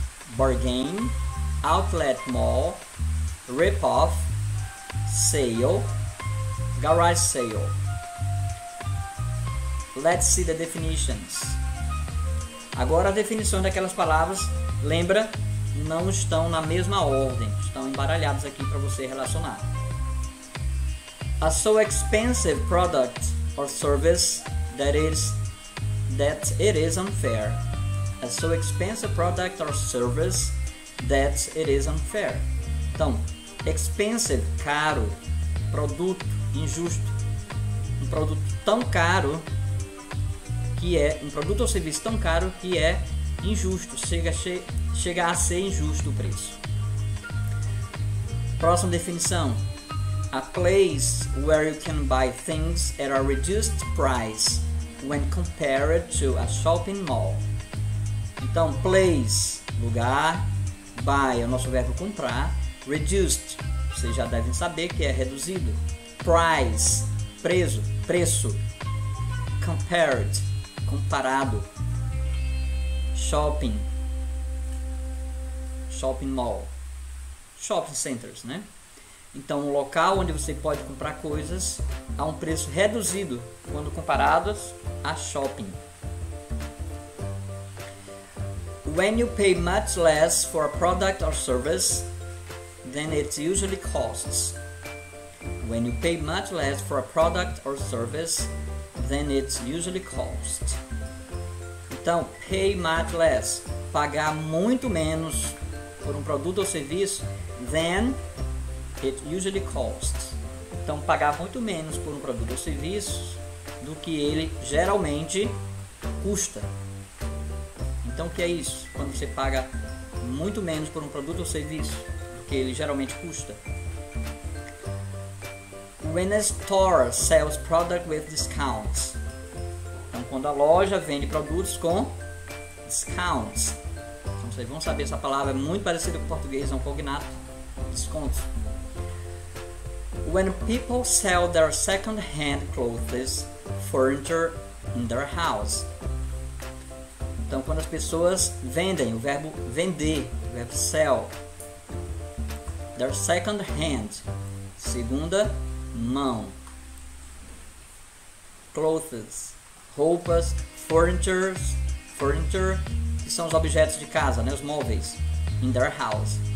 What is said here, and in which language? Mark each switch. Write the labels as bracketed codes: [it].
[en] Bargain, outlet mall, rip-off, sale, garage sale. Let's see the definitions. [pt] Agora a definição daquelas palavras, lembra, não estão na mesma ordem. Estão embaralhados aqui para você relacionar. [en] A so expensive product or service that it is unfair. A so expensive product or service that it is unfair. [pt] Então, expensive, caro, produto, injusto. Um produto tão caro que é, um produto ou serviço tão caro que é injusto, chega a ser injusto o preço. Próxima definição. [en] A place where you can buy things at a reduced price when compared to a shopping mall. [pt] Então, place, lugar, buy é o nosso verbo comprar, reduced, vocês já devem saber que é reduzido, price, preço, compared, comparado, shopping mall, shopping centers, né? Então, um local onde você pode comprar coisas a um preço reduzido quando comparados a shopping. [en] When you pay much less for a product or service than it usually costs. When you pay much less for a product or service than it usually costs. [pt] Então, [en] pay much less, [pt] pagar muito menos por um produto ou serviço [en] than it usually costs. [pt] Então, pagar muito menos por um produto ou serviço do que ele geralmente custa. Então, o que é isso? Quando você paga muito menos por um produto ou serviço do que ele geralmente custa. [en] When a store sells product with discounts. [pt] Então, quando a loja vende produtos com discounts. Então, vocês vão saber, essa palavra é muito parecida com o português, é um cognato. Descontos. [en] When people sell their second-hand clothes, furniture in their house. [pt] Então, quando as pessoas vendem, o verbo vender, o verbo sell. [en] Their second-hand, [pt] segunda mão. Clothes, roupas, furniture, que são os objetos de casa, né, os móveis, [en] in their house.